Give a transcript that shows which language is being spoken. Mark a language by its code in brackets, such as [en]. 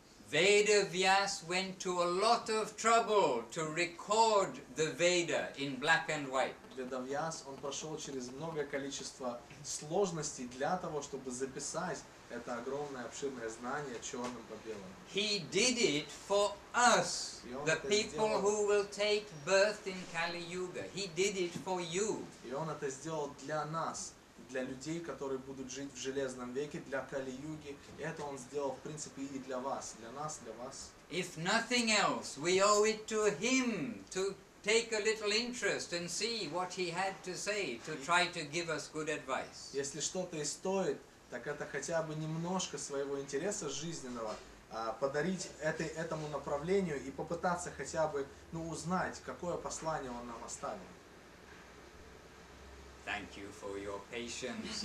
[en] Veda Vyas went to a lot of trouble to record the Veda in black and white. [ru] Veda Vyas, он прошел через много количества сложностей для того, чтобы записать это огромное обширное знание черным по белому. [en] He did it for us, the people who will take birth in Kali Yuga. He did it for you. [ru] И он это сделал для нас, для людей, которые будут жить в железном веке, для Кали-юги. Это он сделал, в принципе, и для вас, для нас, для вас. [en] If nothing else, we owe it to him to take a little interest and see what he had to say to try to give us good advice. [ru] Если что-то и стоит, так это хотя бы немножко своего интереса жизненного подарить этому направлению и попытаться хотя бы, ну, узнать, какое послание он нам оставил. [en] Thank you for your patience.